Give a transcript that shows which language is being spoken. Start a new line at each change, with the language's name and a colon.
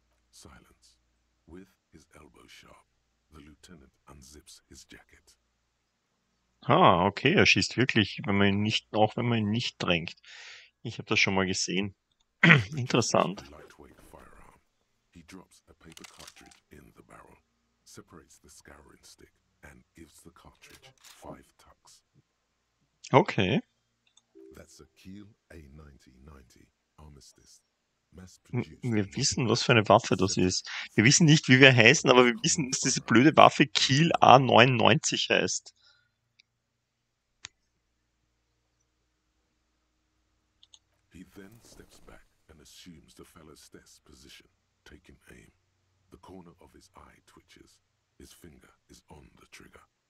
English: Silence. With his elbow sharp, the lieutenant unzips his jacket.
German: Ah, okay, er schießt wirklich, wenn man ihn nicht, auch wenn man ihn nicht drängt. Ich habe das schon mal gesehen. Interessant.
English: Lightweight firearm. He drops a paper cartridge in the barrel, separates the scouring stick and gives the cartridge 5 tucks. Okay. That's a Kiel A90-90 armistice.
German: Wir wissen, was für eine Waffe das ist. Wir wissen nicht, wie wir heißen, aber wir wissen, dass diese blöde Waffe Kiel A99 heißt.
English: He then steps back and assumes the fellow's stess position, taking aim. The corner of his eye twitches. His finger is on the trigger.